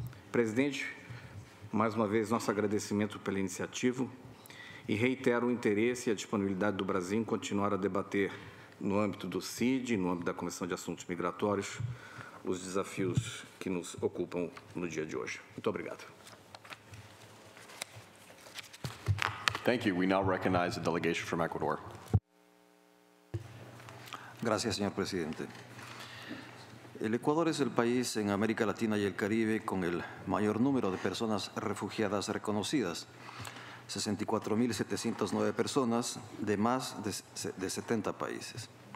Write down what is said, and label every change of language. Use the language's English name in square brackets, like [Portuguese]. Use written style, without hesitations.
[Portuguese] Presidente, mais uma vez, nosso agradecimento pela iniciativa e reitero o interesse e a disponibilidade do Brasil em continuar a debater no âmbito do CID, no âmbito da Comissão de Assuntos Migratórios, os desafios que nos ocupam no dia de hoje. Muito obrigado. [English] Thank you. We now recognize the delegation from Ecuador. [Spanish] Gracias, señor presidente. El Ecuador es el país en América Latina y el Caribe con el mayor número de personas refugiadas reconocidas, 64.709 personas de más de 70 países.